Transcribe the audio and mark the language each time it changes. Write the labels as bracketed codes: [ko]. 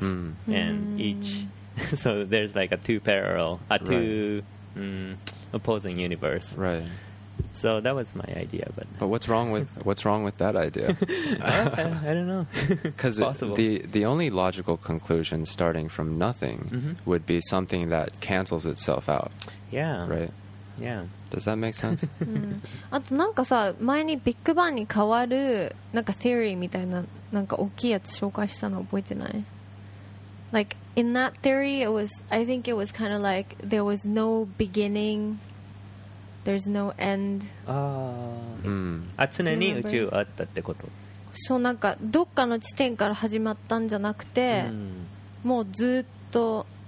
[en] Mm. And each... So there's like a two parallel, a two opposing universe. Right. So that was my idea, but. But what's wrong with that idea? I don't know. Because the only logical conclusion starting from nothing would be something that cancels itself out. Yeah. Right. Yeah. Does that make sense? [ja] あとなんかさ、前にビッグバンに変わるなんかテーリーみたいななんか大きいやつ紹介したの覚えてない? [en] Like in that theory, it was, I think it was kind of like there was no beginning. There's no end. Ah. Hmm. [ja] 常に宇宙あったってこと。そうなんかどっかの地点から始まったんじゃなくて、もうずっと。